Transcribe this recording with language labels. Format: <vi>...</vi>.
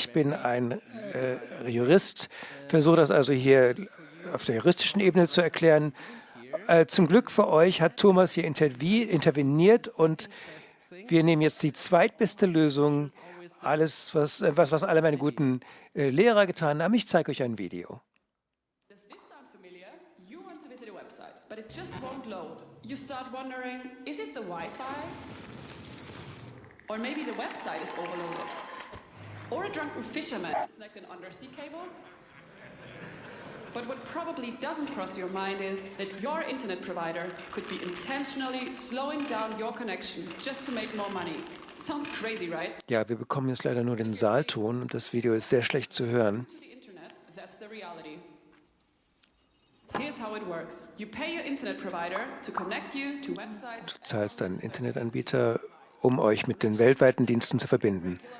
<de>Ich bin ein Jurist, versuche das also hier auf der juristischen Ebene zu erklären. Zum Glück für euch hat Thomas hier interveniert und wir nehmen jetzt die zweitbeste Lösung, alles, was alle meine guten Lehrer getan haben. Ich zeige euch ein Video.</de> <en>Does this sound familiar? You want to visit a website, but it just won't load. You start wondering, is it the Wi-Fi? Or maybe the website is overloaded. Or a drunken fisherman snagged an undersea cable? But what probably doesn't cross your mind is that your internet provider could be intentionally slowing down your connection just to make more money. Sounds crazy, right?</en> <de>Ja, wir bekommen jetzt leider nur den Saalton und das Video ist sehr schlecht zu hören.</de> <en>That's the reality. Here's how it works. You pay your internet provider to connect you to websites.</en> <de>Du zahlst deinen Internetanbieter, um euch mit den weltweiten Diensten zu verbinden.</de>